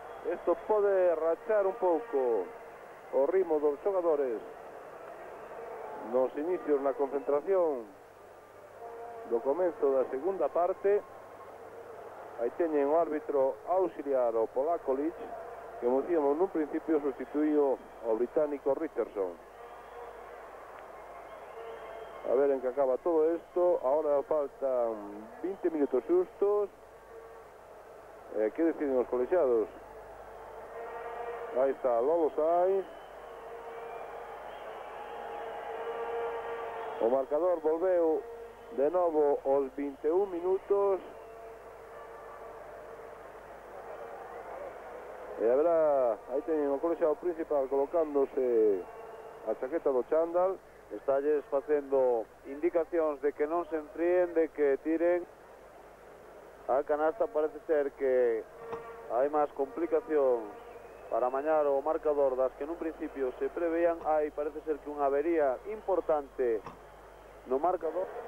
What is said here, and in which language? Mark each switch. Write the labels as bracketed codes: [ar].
[gl] Esto pode rachar un pouco o ritmo dos xogadores nos inicios na concentración do comezo da segunda parte. Aí teñen o árbitro auxiliar, o polaco Lich, que, como dicíamos nun principio, sustituído ao británico Richardson. [es] A ver en que acaba todo esto. Ahora faltan 20 minutos justos. ¿Qué deciden los colegiados? Ahí está Lolo Sainz. [gl] O marcador volveu [es] de nuevo los 21 minutos. Y habrá, ahí tienen el colegiado principal colocándose la chaqueta do chándal. [gl] Estalles facendo indicacións de que non se enfríen, de que tiren. A canasta parece ser que hai máis complicacións para amañar o marcador das que nun principio se preveían. Hai, parece ser, que unha avería importante no marcador.